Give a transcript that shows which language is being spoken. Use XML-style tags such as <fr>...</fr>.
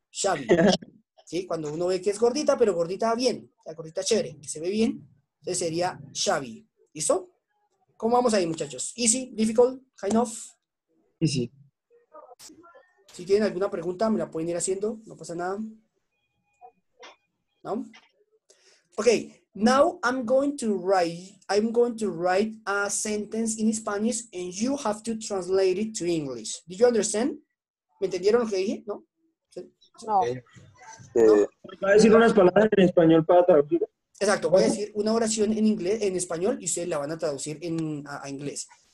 <es>Chubby, ¿sí? Cuando uno ve que es gordita, pero gordita bien, la gordita chévere, que se ve bien, entonces sería chubby. ¿Listo? ¿Cómo vamos ahí, muchachos?</es> <en>¿Easy? ¿Difficult? ¿Kind of? Easy.</en> <es>Si tienen alguna pregunta, me la pueden ir haciendo. No pasa nada. ¿No? Ok.</es> <en>Now I'm going to write a sentence in Spanish and you have to translate it to English. Did you understand?</en> <es>¿Me entendieron lo que dije? ¿No? ¿Sí? No. ¿No? Voy a decir unas palabras en español para traducir. Exacto, voy a decir una oración en inglés, en español, y ustedes la van a traducir a inglés.</es>